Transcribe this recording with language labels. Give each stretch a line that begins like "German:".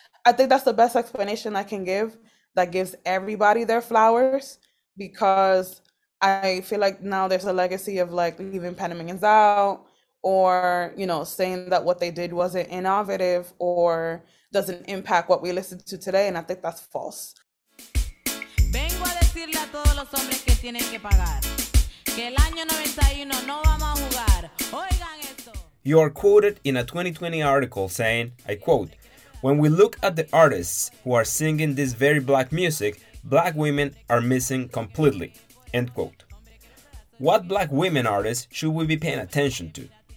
English: I think that's the best explanation I can give that gives everybody their flowers, because I feel like now there's a legacy of like leaving Panamanians out, or, you know, saying that what they did wasn't innovative or doesn't impact what we listen to today. And I think that's false.
Spanish: Vengo a decirle a todos los hombres que tienen que pagar que el año 91 no vamos a jugar. Oigan esto.
English: You are quoted in a 2020 article saying, I quote, "When we look at the artists who are singing this very black music, black women are missing completely," end quote. What black women artists should we be paying attention to?